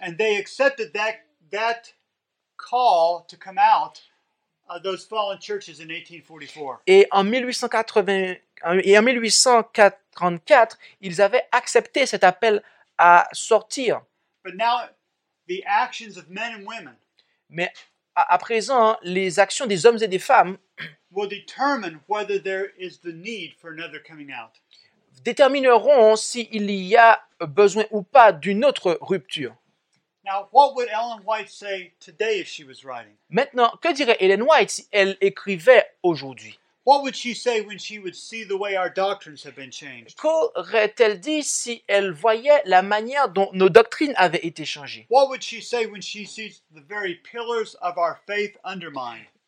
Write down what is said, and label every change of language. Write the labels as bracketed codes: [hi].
[en] And they accepted that call to come out of those fallen churches in 1844. [fr] Et en 1844, ils avaient accepté cet appel à sortir. [en] But now the actions of men and women. [fr] Mais à présent, les actions des hommes et des femmes [en] will determine whether there is the need for another coming out. [fr] détermineront s'il y a besoin ou pas d'une autre rupture. [en] Now, what would Ellen White say today if she was writing? [fr] Maintenant, que dirait Ellen White si elle écrivait aujourd'hui? [en] What would she say when she would see the way our doctrines have been changed? [fr] Qu'aurait-elle dit si elle voyait la manière dont nos doctrines avaient été changées? [en] What would she say when she sees the very pillars of our faith undermined?